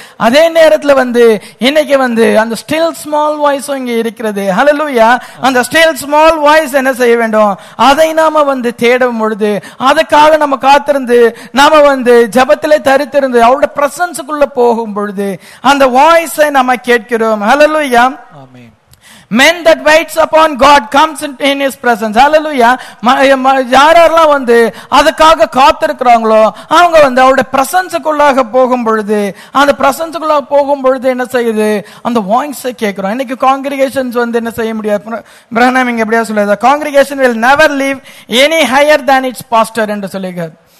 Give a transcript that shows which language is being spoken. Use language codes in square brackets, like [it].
[ta] அதே நேரத்துல வந்து இன்னைக்கு வந்து அந்த [en] still small வாய்ஸும் [ta] இங்க இருக்கிறது. ஹல்லேலூயா. அந்த [en] still small voice [ta] என்ன செய்ய வேண்டும், அதை நாம வந்து தேடும் பொழுது அதுக்காக நம்ம காத்திருந்து நாம வந்து ஜபத்திலே தரித்திருந்து அவருடைய பிரசன்ஸுக்குள்ள போகும் பொழுது அந்த வாய்ஸை நாம கேட்கிறோம். ஹல்லேலூயா. ஆமென். [en] Men that waits upon God comes in his presence. Hallelujah. [ta] யாரெல்லாம் வந்து அதுக்காக காத்திருக்கிறாங்களோ அவங்க வந்து அவருடைய பிரசன்ஸுக்குள்ளாக போகும் பொழுது அந்த பிரசன்ஸுக்குள்ளாக போகும் பொழுது என்ன செய்யுது, அந்த வாய்ஸை கேட்கிறோம். இன்னைக்கு காங்கிரிகேஷன்ஸ் வந்து என்ன செய்ய முடியாது, பிரஹனம் இங்க எப்படியா சொல்லுது, congregation [en] will never leave any higher than its pastor [ta] என்று சொல்லியிருக்காரு.